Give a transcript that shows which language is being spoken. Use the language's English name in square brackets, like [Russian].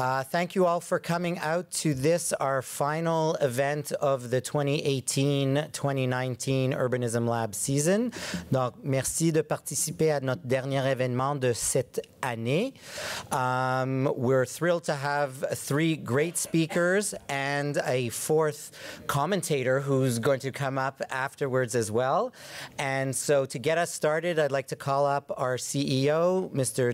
[English] Thank you all for coming out to this, our final event of the 2018-2019 Urbanism Lab season. [French] Donc, merci de participer à notre dernier événement de cette année. [English] We're thrilled to have three great speakers and a fourth commentator who's going to come up afterwards as well. And so to get us started, I'd like to call up our CEO, Mr.